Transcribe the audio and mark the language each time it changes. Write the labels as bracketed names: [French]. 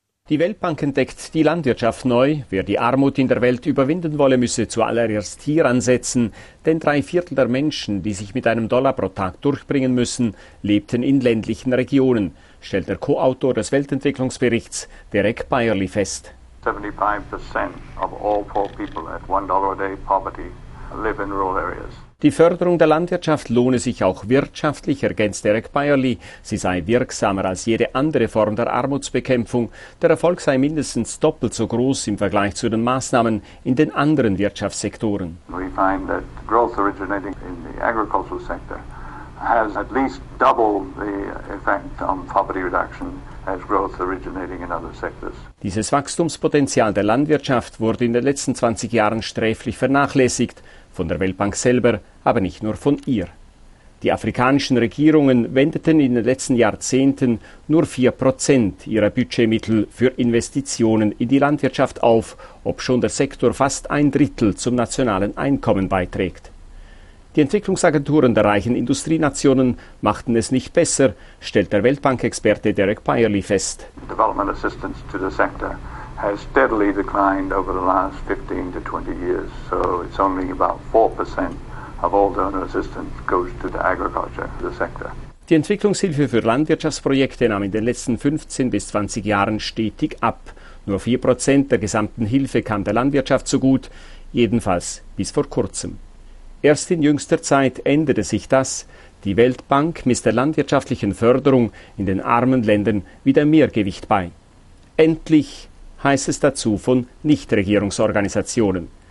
[German] Die Weltbank entdeckt die Landwirtschaft neu. Wer die Armut in der Welt überwinden wolle, müsse zuallererst hier ansetzen. Denn 3/4 der Menschen, die sich mit einem Dollar pro Tag durchbringen müssen, lebten in ländlichen Regionen, stellt der Co-Autor des Weltentwicklungsberichts Derek Byerly fest. [English] 75% of all poor people at $1 a day poverty. [German] Die Förderung der Landwirtschaft lohne sich auch wirtschaftlich, ergänzt Derek Byerly. Sie sei wirksamer als jede andere Form der Armutsbekämpfung. Der Erfolg sei mindestens doppelt so groß im Vergleich zu den Maßnahmen in den anderen Wirtschaftssektoren. [English] We find that growth originating in the agricultural sector has at least double the effect on poverty reduction. As growth originating in other sectors. [German] Dieses Wachstumspotenzial der Landwirtschaft wurde in den letzten 20 Jahren sträflich vernachlässigt, von der Weltbank selber, aber nicht nur von ihr. Die afrikanischen Regierungen wendeten in den letzten Jahrzehnten nur 4% ihrer Budgetmittel für Investitionen in die Landwirtschaft auf, obschon der Sektor fast ein Drittel zum nationalen Einkommen beiträgt. Die Entwicklungsagenturen der reichen Industrienationen machten es nicht besser, stellt der Weltbank-Experte Derek Byerly fest. [English] Development assistance to the sector has steadily declined over the last 15 to 20 years, so it's only about 4% of all donor assistance goes to the agriculture, the sector. [German] Die Entwicklungshilfe für Landwirtschaftsprojekte nahm in den letzten 15 bis 20 Jahren stetig ab. Nur 4% der gesamten Hilfe kam der Landwirtschaft zugute, jedenfalls bis vor kurzem. Erst in jüngster Zeit änderte sich das. Die Weltbank misst der landwirtschaftlichen Förderung in den armen Ländern wieder mehr Gewicht bei. Endlich heißt es dazu von Nichtregierungsorganisationen.